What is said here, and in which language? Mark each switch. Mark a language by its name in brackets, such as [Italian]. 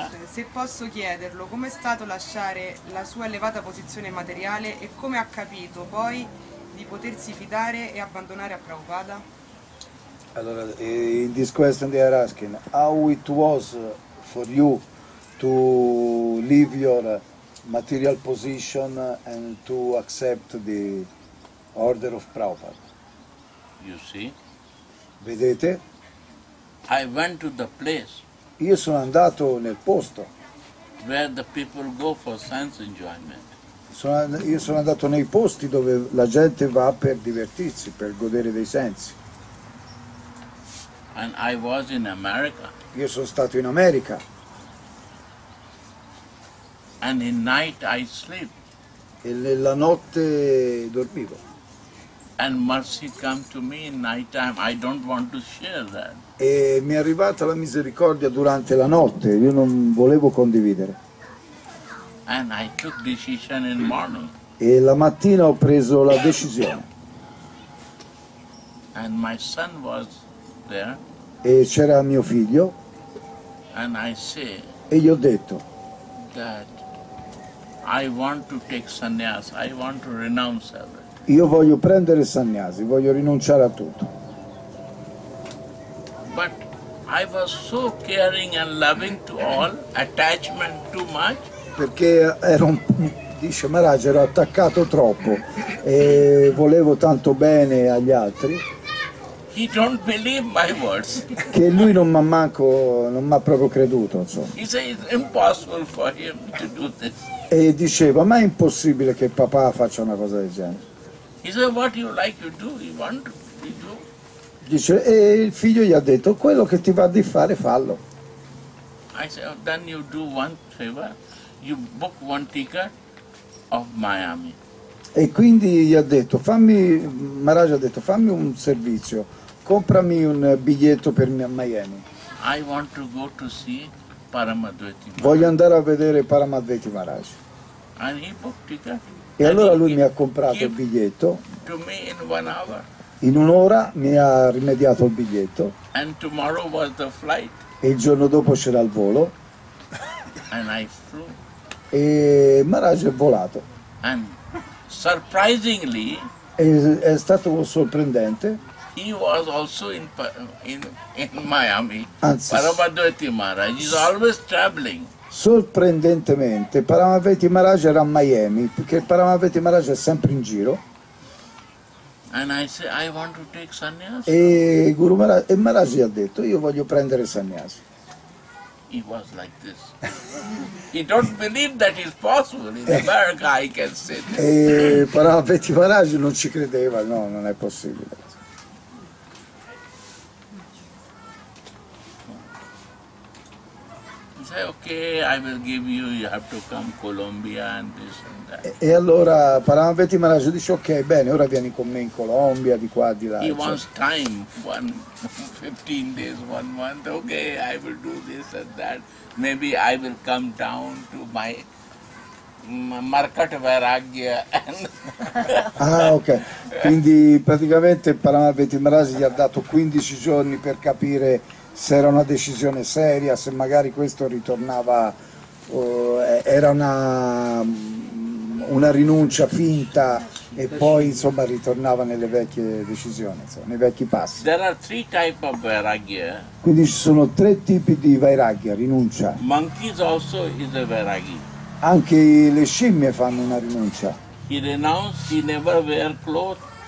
[Italian] Se posso chiederlo, com'è stato lasciare la sua elevata posizione materiale e come ha capito poi di potersi fidare e abbandonare a Prabhupada? [English] Allora, in this question they are asking how it was for you to leave your material position and to accept the order of Prabhupada. You see? [Italian] Vedete? [English] I went to the place. [Italian] Io sono andato nel posto. [English] Where the people go for sense enjoyment. [Italian] Io sono andato nei posti dove la gente va per divertirsi, per godere dei sensi. [English] And I was in America. [Italian] Io sono stato in America. [English] And in night I sleep. [Italian] E nella notte dormivo. [English] And mercy come to me in night time. I don't want to share that. [Italian] E mi è arrivata la misericordia durante la notte, io non volevo condividere. [English] And I took decision in morning. [Italian] E la mattina ho preso la decisione. [English] And my son was there. [Italian] E c'era mio figlio. [English] And I say, [Italian] e gli ho detto [English] that I want to take sannyas, I want to renounce everything. [Italian] Io voglio prendere sannyasi, voglio rinunciare a tutto. [English] But I was so caring and loving to all, attachment too much. [Italian] Perché ero, dice Maharaj, ero attaccato troppo e volevo tanto bene agli altri. [English] He don't believe my words. [Italian] Che lui non mi ha manco, non mi ha proprio creduto, insomma. [English] He said it's impossible for him to do this. [Italian] E diceva, ma è impossibile che papà faccia una cosa del genere. [English] He said what you like to do, you want to do. [Italian] Dice, e il figlio gli ha detto quello che ti va di fare fallo. [English] I said, oh, then you do one favor, you book one ticket of Miami. [Italian] E quindi gli ha detto fammi un servizio, comprami un biglietto per Miami. [English] I want to go to see Paramadvaiti Maharaj. [Italian] Voglio andare a vedere Paramadvaiti Maharaj. [English] And he booked ticket. [Italian] E allora lui mi ha comprato il biglietto. [English] To me in one hour. [Italian] In un'ora mi ha rimediato il biglietto. [English] And tomorrow was the flight. [Italian] E il giorno dopo c'era il volo. [English] And I flew. [Italian] E Maharaj è volato. [English] And surprisingly, [Italian] è stato sorprendente. [English] He was also in Miami. [Italian] Anzi, [English] Paramadvaiti Maharaj is always traveling. [Italian] Sorprendentemente, Paramadvaiti Maharaj era a Miami, perché Paramadvaiti Maharaj è sempre in giro. [English] And I say, I want to take sannyas. [Italian] E Guru Maharaj, e Maharaj gli ha detto, io voglio prendere sannyasi. [English] He was like this. He don't believe that it's possible. In America I can say this. [Italian] E Paramadvaiti Maharaj non ci credeva, no, non è possibile. [English] Say okay, I will give you. You have to come Colombia and this and that. [Italian] E allora Paramahansa Maharaj dice ok, bene, ora vieni con me in Colombia, di qua, di là. [English] He cioè. Wants time, 15 days, 1 month. Okay, I will do this and that. Maybe I will come down to my Market Vairagya. Ah, ok. [Italian] Quindi praticamente Paramahansa Maharaj gli ha dato 15 giorni per capire se era una decisione seria, se magari questo ritornava, era una rinuncia finta e poi insomma ritornava nelle vecchie decisioni, insomma, nei vecchi passi. [English] There are three type of vairagya. [Italian] Quindi ci sono tre tipi di vairagya, rinuncia. [English] Monkeys also is a vairagya. [Italian] Anche le scimmie fanno una rinuncia. [English] He renounced, he never wear clothes.